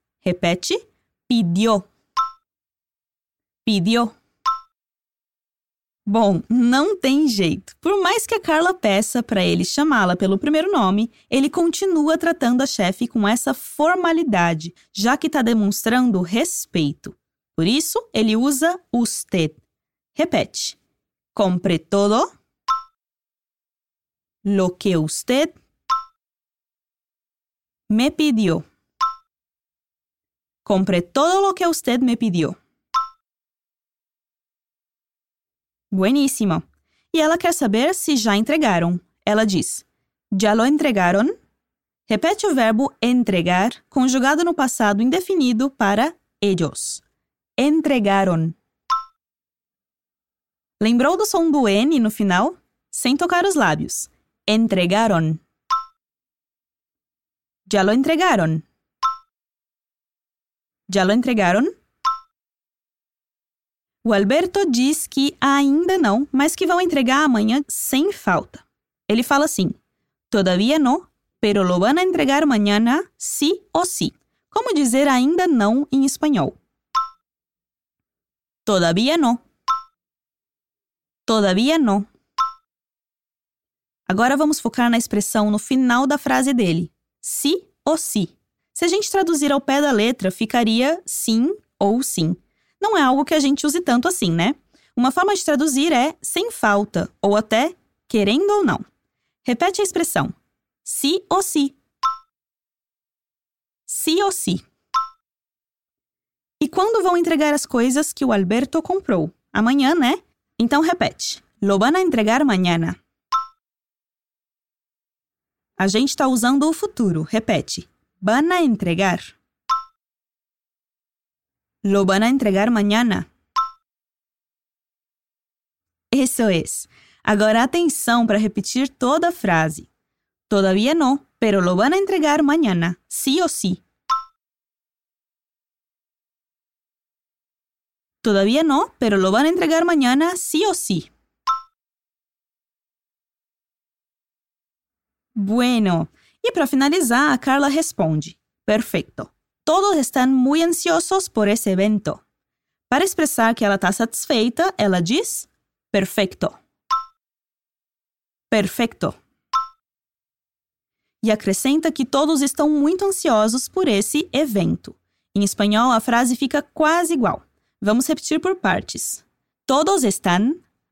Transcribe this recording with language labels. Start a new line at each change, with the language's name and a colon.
Portuguese: Repete.
Spanish: Pidió. Pidió.
Portuguese: Bom, não tem jeito. Por mais que a Carla peça para ele chamá-la pelo primeiro nome, ele continua tratando a chefe com essa formalidade, já que está demonstrando respeito. Por isso, ele usa usted. Repete.
Spanish: Compre todo lo que usted me pidió. Compre todo lo que usted me pidió. Buenísimo.
Portuguese: E ela quer saber se já entregaram. Ela diz,
Spanish: ¿Ya lo entregaron?
Portuguese: Repete o verbo entregar, conjugado no passado indefinido para ellos. Entregaron. Lembrou do som do N no final? Sem tocar os lábios. Entregaron.
Spanish: ¿Ya lo entregaron? ¿Ya lo entregaron?
Portuguese: O Alberto diz que ainda não, mas que vão entregar amanhã sem falta. Ele fala assim,
Spanish: Todavía no, pero lo van a entregar mañana sí o sí.
Portuguese: Como dizer ainda não em espanhol?
Spanish: Todavía no. Todavía no.
Portuguese: Agora vamos focar na expressão no final da frase dele.
Spanish: Sí o sí.
Portuguese: Se a gente traduzir ao pé da letra, ficaria sim ou sim. Não é algo que a gente use tanto assim, né? Uma forma de traduzir é sem falta ou até querendo ou não. Repete a expressão.
Spanish: Sí o sí. Sí o sí.
Portuguese: E quando vão entregar as coisas que o Alberto comprou? Amanhã, né? Então repete.
Spanish: Lo van a entregar mañana.
Portuguese: A gente está usando o futuro. Repete.
Spanish: Van a entregar. Lo van a entregar mañana. Eso es.
Portuguese: Agora atenção para repetir toda a frase.
Spanish: Todavía no, pero lo van a entregar mañana, sí o sí. Todavía no, pero lo van a entregar mañana, sí o sí. Bueno, y para finalizar, Carla responde. Perfecto. Todos están muy ansiosos por ese evento.
Portuguese: Para expresar que ela está satisfeita, ela diz perfecto. Perfecto. E acrescenta que todos estão muito ansiosos por esse evento. Em espanhol, a frase fica quase igual. Vamos repetir por partes.
Spanish: Todos están.